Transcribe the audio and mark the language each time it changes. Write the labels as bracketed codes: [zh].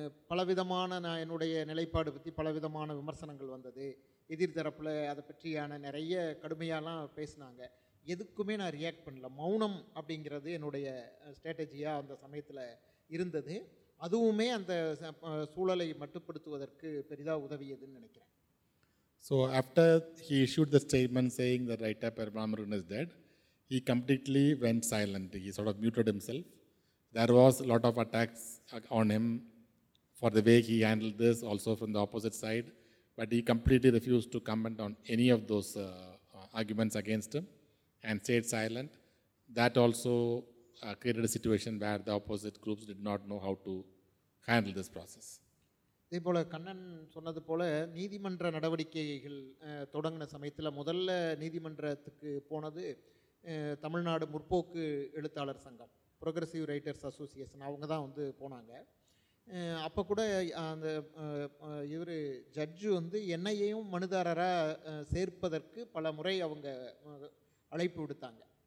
[ta] பலவிதமான நான் என்னுடைய நிலைப்பாடு பற்றி பலவிதமான விமர்சனங்கள் வந்தது. எதிர்தரப்பில் அதை பற்றியான நிறைய கடுமையாலாம் பேசினாங்க. எதுக்குமே நான் ரியாக்ட் பண்ணல. மௌனம் அப்படிங்கிறது என்னுடைய ஸ்ட்ராட்டஜியாக அந்த சமயத்தில் இருந்தது. அதுவுமே அந்த சூழலை மட்டுப்படுத்துவதற்கு பெரிதாக உதவியதுன்னு நினைக்கிறேன். [en] So after he issued the statement saying that Raita Perumbavoorn is dead, he completely went silent. He sort of muted himself. There was a lot of attacks on him for the way he handled this, also from the opposite side, but he completely refused to comment on any of those arguments against him and stayed silent. That also created a situation where the opposite groups did not know how to handle this process. [ta] இதே போல் கண்ணன் சொன்னது போல் நீதிமன்ற நடவடிக்கைகள் தொடங்கின சமயத்தில் முதல்ல நீதிமன்றத்துக்கு போனது தமிழ்நாடு முற்போக்கு எழுத்தாளர் சங்கம், ப்ரோக்ரஸிவ் ரைட்டர்ஸ் அசோசியேஷன், அவங்க தான் வந்து போனாங்க. அப்போ கூட அந்த இவர் ஜட்ஜு வந்து என்னையையும் மனுதாரராக சேர்ப்பதற்கு பல முறை அவங்க அழைப்பு விடுத்தாங்க.